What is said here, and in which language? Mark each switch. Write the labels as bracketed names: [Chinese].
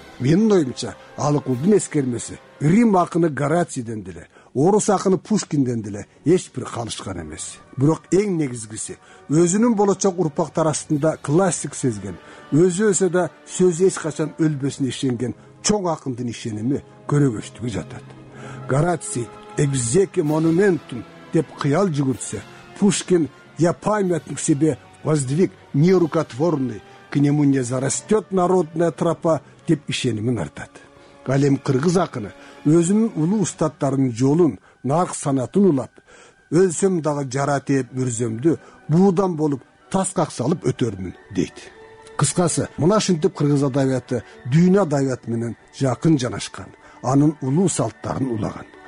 [Kyrgyz] Менин оюмча ал кулдун эскермеси Рим акыны Горацийден деле, орус акыны Пушкинден деле эч бир калышкан эмес. Бирок эң негизгиси өзүнүн болочок урпактар арасында классик сезген, өзү өсө да сөзү эч качан өлбөсүнө ишенген чоң акындын ишеними көрөгөчтүгү жатат. Гораций [Latin] экзеки монументум [Kyrgyz] деп кыял жүгүртсө, Пушкин [Russian] я памятник себе воздвиг нерукотворный, к нему не зарастет народная тропа [Kyrgyz] деп ишенимин артат. Ал эми кыргыз акыны өзүнүн улуу устаттарынын жолун, нарк санатын улап, өлсөм дагы жаратып мүрзөмдү буудан болуп таскак салып өтөрмүн дейт. Кыскасы, мына ушинтип кыргыз адабияты дүйнө адабияты менен жакын жанашкан, анын улуу салттарын улаган.